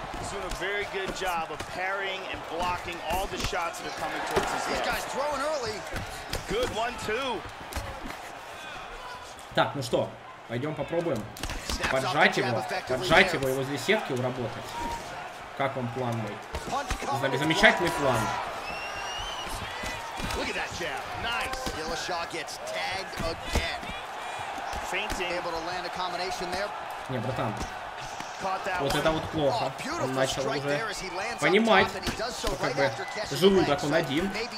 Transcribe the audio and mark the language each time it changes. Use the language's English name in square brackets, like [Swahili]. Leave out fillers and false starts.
[English] Doing a very good job of parrying and blocking all the shots that are coming towards his head. These guys throwing early. Good 1-2. [Russian] Так, ну что, пойдем попробуем поджать его и возле сетки уработать. Как вам план мой? Замечательный план. [English] Look at that jab. Nice. Dillashaw gets tagged again. Fainting. Able to land a combination there. [Russian] Не, братан. Вот это вот плохо. Он начал уже понимать, что как бы желудок он один.